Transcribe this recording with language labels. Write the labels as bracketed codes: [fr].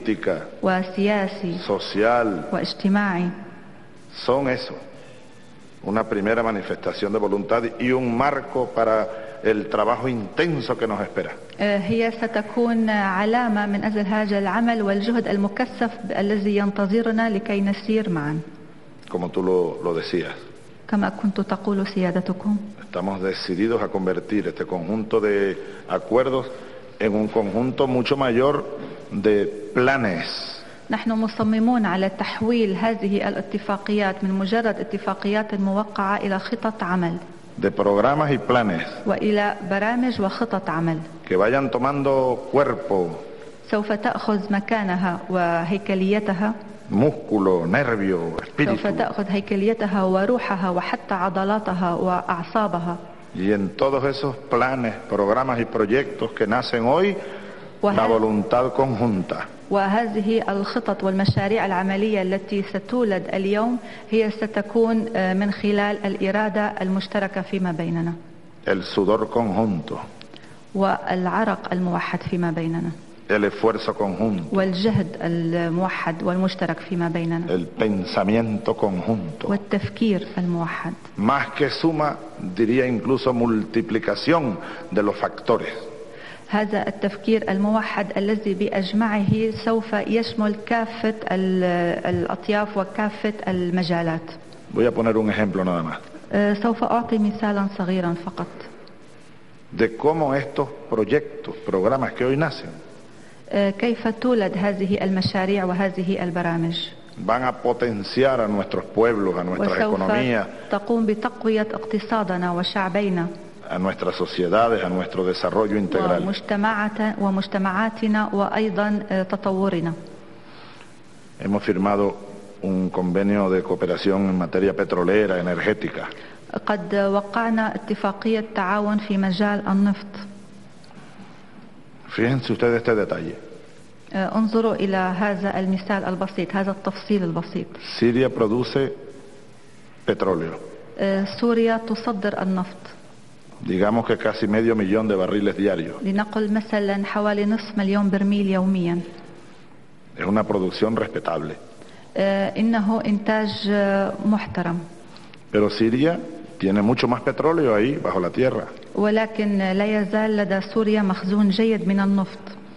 [es] política [ar] وسياسي [es] social [ar] واجتماعي [es] Son eso, una primera manifestación de voluntad y un marco para el trabajo intenso que nos espera. [ar] هي ستكون علامة من أجل هذا العمل والجهد المكثف الذي ينتظرنا لكي نسير معا. [es] Como tú lo decías. [ar] كما كنت تقول سيادتكم. [es] Estamos decididos a convertir este conjunto de acuerdos en un conjunto mucho mayor de planes. [ar] نحن مصممون على تحويل هذه الاتفاقيات من مجرد اتفاقيات موقعة إلى خطط عمل [es] de programas y planes [ar] وإلى برامج وخطط عمل [es] que vayan tomando cuerpo [ar] سوف تأخذ مكانها وهيكليتها [es] músculo, nervio, espíritu. [ar] سوف تأخذ هيكليتها وروحها وحتى عضلاتها وأعصابها. [es] Y en todos esos planes, programas y proyectos que nacen hoy, la voluntad conjunta. [ar] وهذه الخطط والمشاريع العملية التي ستولد اليوم هي ستكون من خلال الإرادة المشتركة فيما بيننا. [es] El sudor conjunto. [ar] والعرق الموحد فيما بيننا. [es] El esfuerzo conjunto. [ar] والجهد الموحد والمشترك فيما بيننا. [es] El pensamiento conjunto. [ar] والتفكير الموحد. [es] Más que suma, diría incluso multiplicación de los factores. [ar] هذا التفكير الموحد الذي بأجمعه سوف يشمل كافة الأطياف وكافة المجالات. [es] Voy a poner un ejemplo nada más. [ar] سوف أعطي مثالا صغيرا فقط. [es] De cómo estos proyectos, programas que hoy nacen. [ar] كيف تولد هذه المشاريع وهذه البرامج؟ [es] Van a potenciar a nuestros pueblos, a nuestras economías. [ar] تقوم بتقوية اقتصادنا وشعبينا. [es] A nuestras sociedades, a nuestro desarrollo integral. [ar] ومجتمعاتنا وأيضا تطورنا. [es] Hemos firmado un convenio de cooperación en materia petrolera, energética. [ar] قد وقعنا اتفاقية تعاون في مجال النفط. [es] Fíjense ustedes este detalle. [ar] انظروا إلى هذا المثال البسيط، هذا التفصيل البسيط. [es] Siria produce petróleo. [ar] سوريا تصدر النفط. [es] Digamos que casi medio millón de barriles diarios. [ar] لنقل مثلا حوالي نصف مليون برميل يوميا. [es] Es una producción respetable. [ar] إنه إنتاج محترم. [es] Pero Siria tiene mucho más petróleo ahí bajo la tierra. [ar] ولكن لا يزال لدى سوريا مخزون جيد من النفط.